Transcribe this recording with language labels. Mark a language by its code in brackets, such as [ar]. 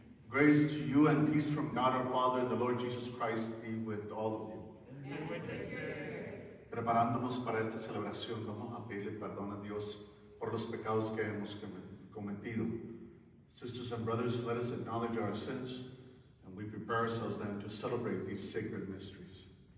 [en] Grace to you and peace from God our Father and the Lord Jesus Christ be with all of you. [es] Preparándonos para esta celebración, vamos a pedirle perdón a Dios por los pecados que hemos cometido. [en] Sisters and brothers, let us acknowledge our sins and we prepare ourselves then to celebrate these sacred mysteries.